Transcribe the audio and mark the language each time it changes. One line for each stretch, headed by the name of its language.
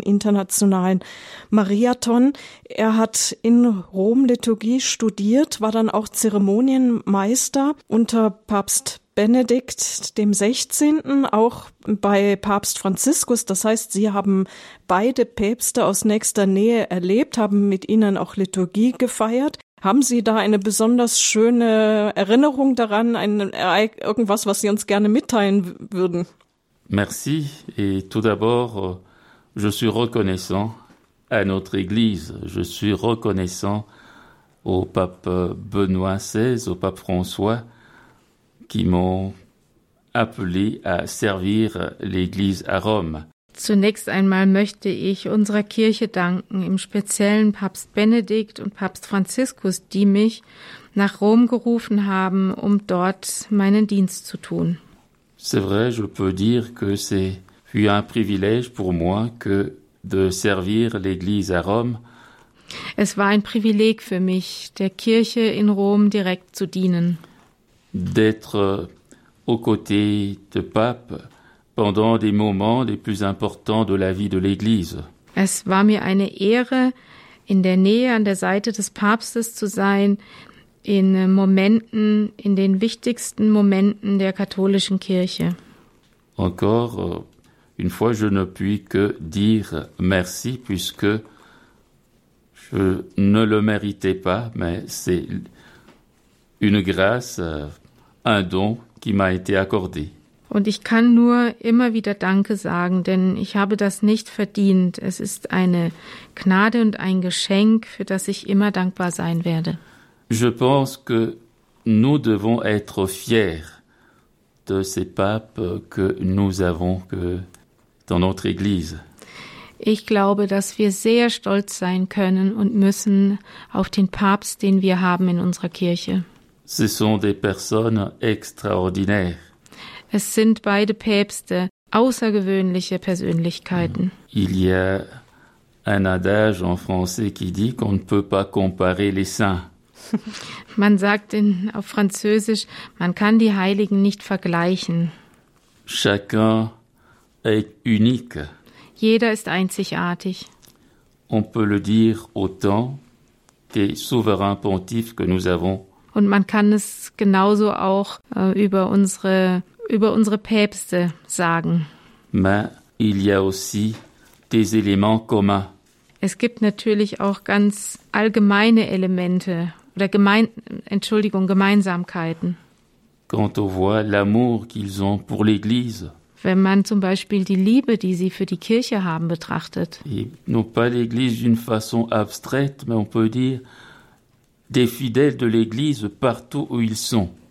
German: Internationalen Mariathon. Er hat in Rom Liturgie studiert, war dann auch Zeremonienmeister unter Papst Benedikt dem 16., auch bei Papst Franziskus. Das heißt, Sie haben beide Päpste aus nächster Nähe erlebt, haben mit ihnen auch Liturgie gefeiert. Haben Sie da eine besonders schöne Erinnerung daran, irgendwas, was Sie uns gerne mitteilen würden?
French: Merci. Et tout d'abord, je suis reconnaissant à notre Église. Je suis reconnaissant au Pape Benoît XVI, au Pape François, qui m'ont appelé à servir l'Église à Rome.
German: Zunächst einmal möchte ich unserer Kirche danken, im Speziellen Papst Benedikt und Papst Franziskus, die mich nach Rom gerufen haben, um dort meinen Dienst zu tun.
French: C'est vrai, je peux dire que c'est un privilège pour moi que de servir l'Église à Rome.
German: Es war ein Privileg für mich, der Kirche in Rom direkt zu dienen.
French: D'être aux côtés de Pape pendant des moments les plus importants de la vie de l'Église.
German: Es war mir eine Ehre, in der Nähe an der Seite des Papstes zu sein, in den wichtigsten Momenten der katholischen Kirche.
French: Encore une fois, je ne puis que dire merci, puisque je ne le méritais pas, mais c'est une grâce. Un don qui m'a été accordé.
German: Und ich kann nur immer wieder Danke sagen, denn ich habe das nicht verdient. Es ist eine Gnade und ein Geschenk, für das ich immer dankbar sein werde.
French: Je pense que nous devons être fiers de ces papes que nous avons que dans notre Église.
German: Ich glaube, dass wir sehr stolz sein können und müssen auf den Papst, den wir haben in unserer Kirche.
French: Ce sont des personnes extraordinaires.
German: Es sind beide Päpste, außergewöhnliche Persönlichkeiten.
French: Il y a un adage en français qui dit qu'on ne peut pas comparer les saints.
German: Man sagt auf Französisch, man kann die Heiligen nicht vergleichen.
French: Chacun est unique.
German: Jeder ist einzigartig.
French: On peut le dire autant des souverains pontifs que nous avons.
German: Und man kann es genauso auch über unsere Päpste sagen.
French: Mais il y a aussi des éléments communs.
German: Es gibt natürlich auch ganz allgemeine Elemente oder Gemeinsamkeiten.
French: Quand on voit l'amour qu'ils ont pour l'Église.
German: Wenn man zum Beispiel die Liebe, die sie für die Kirche haben, betrachtet.
French: Et non pas l'Église d'une façon abstraite, mais on peut dire des fidèles de l'Église partout où ils sont.